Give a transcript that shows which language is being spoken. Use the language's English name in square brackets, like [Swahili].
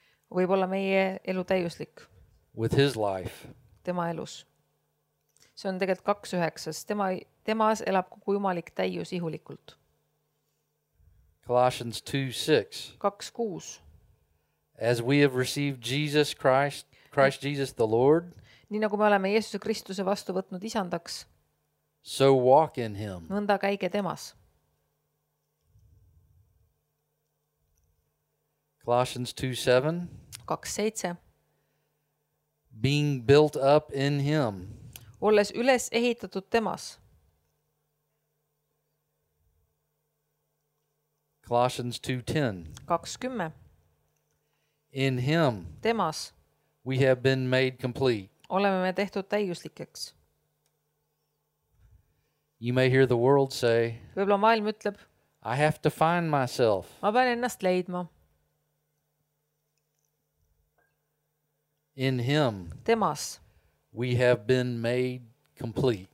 [Estonian] Võib olla meie elu täiuslik. [English] With his life. [Estonian] Tema elus. See on tegelikult 2:9. Temas elab kogu jumalik täius ihulikult. [English] Colossians 2:6. [Estonian] 2:6. [English] As we have received Jesus Christ, Christ Jesus the Lord. [Estonian] Nii nagu me oleme Jeesuse Kristuse vastu võtnud isandaks. [English] So walk in him. [Estonian] Nõnda käige temas. [English] Colossians 2:7. [Estonian] 2:7. [English] Being built up in him. [Estonian] Olles üles ehitatud temas. [English] Colossians 2:10. [Estonian] 2:10. [English] In him. [Estonian] Temas. [English] We have been made complete. [Estonian] Oleme me tehtud täiuslikeks. [English] You may hear the world say. [Estonian] Võib-olla maailm ütleb. [English] I have to find myself. [Estonian] Ma pean ennast leidma. [English] In him. [Estonian] Temas. [English] We have been made complete.